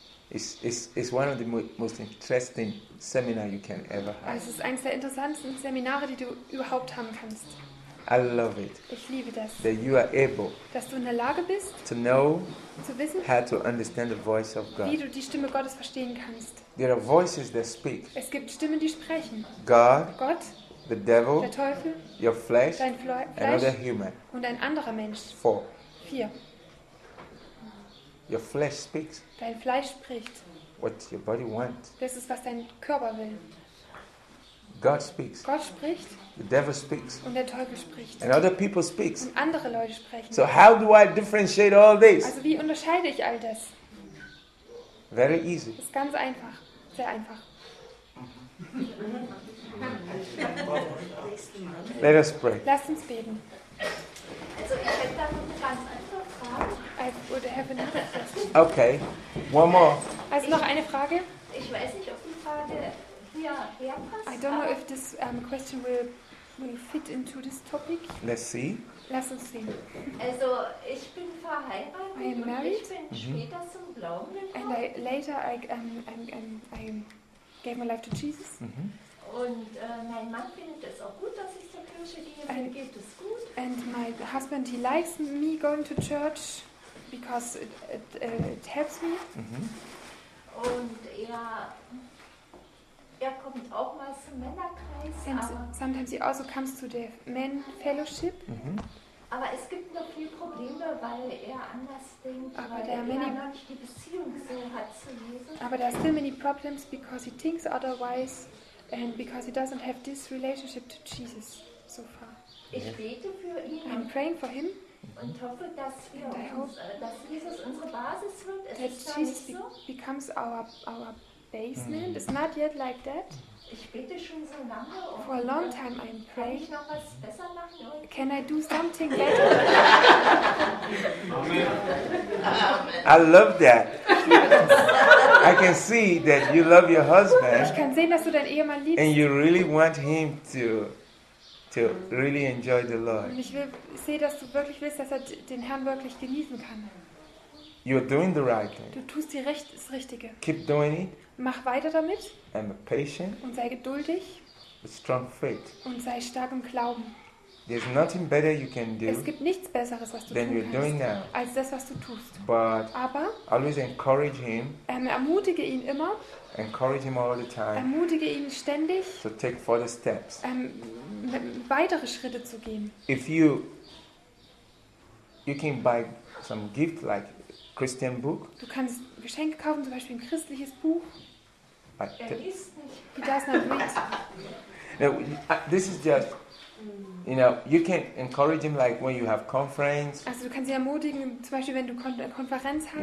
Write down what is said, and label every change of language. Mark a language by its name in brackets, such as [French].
[English] It's one of the most interesting seminars you can ever have. [German] Es ist eines der interessantesten Seminare, die du überhaupt haben kannst. [English] I love it. [German] Ich liebe das. [English] That you are able. [German] Dass du in der Lage bist. [English] To know. [German] Zu wissen. [English] How to understand the voice of God. [German] Wie du die Stimme Gottes verstehen kannst. [English] There are voices that speak. [German] Es gibt Stimmen, die sprechen. [English] God. [German] Gott. [English] The devil. [German] Der Teufel. [English] Your flesh. [German] Dein Fleisch. [English] Another human. [German] Und ein anderer Mensch. [English] Four. [German] Vier. [English] Your flesh speaks. [German] Dein Fleisch spricht. [English] What your body wants. [German] Das ist, was dein Körper will. [English] God speaks. [German] Gott spricht. [English] The devil speaks. [German] Und der Teufel spricht. [English] And other people speaks. [German] Und andere Leute sprechen. [English] So how do I differentiate all this? [German] Also wie unterscheide ich all das? [English] Very easy. [German] Das ist ganz einfach. Sehr einfach. [English] Let us pray. [German] Lass uns beten. Also ich hätte da eine ganz einfache Frage. [English] I would have another question. Okay, one more. [German] Also noch eine Frage. Ich weiß nicht, ob die Frage hierher passt. [English] I don't know if this question will fit into this topic. Let's see. [German] Lass uns sehen. Also ich bin verheiratet und [English] married. [German] Ich bin später zum Glauben gekommen. [English] And later I gave my life to Jesus. Mm-hmm. [German] Und mein Mann findet es auch gut, dass ich zur Kirche gehe. Mir geht es gut. [English] And my husband, he likes me going to church. Because it helps me. Mm-hmm. [German] Und er kommt auch mal zum Männerkreis. [English] And sometimes he also comes to the men fellowship. Mm-hmm. [German] Aber es gibt noch viel Probleme, weil er anders denkt, aber weil er noch nicht die Beziehung so hat zu Jesus. Aber [English] there are still many problems because he thinks otherwise and because he doesn't have this relationship to Jesus so far. [German] Ich bete für ihn. [English] I'm praying for him. [German] Und hoffe, dass Jesus unsere Basis wird. Es [English] that [German] ist [English] Jesus [German] nicht so. [English] Becomes our basement. Mm-hmm. It's not yet like that. [German] Ich bete schon so lange. Und [English] for a long time I'm praying. [German] Kann ich noch was besser machen? [English] Can I do something better? Amen. I love that. I can see that you love your husband. [German] Ich kann sehen, dass du deinen Ehemann liebst. [English] And you really want him to really enjoy the Lord. [German] Ich sehe, dass du wirklich willst, dass er den Herrn wirklich genießen kann. [English] You're doing the right thing. [German] Du tust das Richtige. [English] Keep doing it. [German] Mach weiter damit. [English] And be patient. [German] Und sei geduldig. [English] With strong faith. [German] Und sei stark im Glauben. [English] There's nothing better you can do. [German] Es gibt nichts Besseres, was du [English] than [German] tun [English] you're [German] kannst, [English] doing now. [German] Als das, was du tust. [English] But [German] aber [English] always encourage him. [German] Ermutige ihn immer. [English] Encourage him all the time. [German] Ermutige ihn ständig. [English] So take further steps. [German] Weitere Schritte zu gehen. [English] If you can buy some gift like a Christian book. [German] Du kannst Geschenke kaufen, zum Beispiel ein christliches Buch. Er liest nicht. [English] He does not read. No, this is just, you know, you can encourage him like when you have conference. [German] Also du kannst ihn ermutigen, zum Beispiel wenn du Konferenz hast.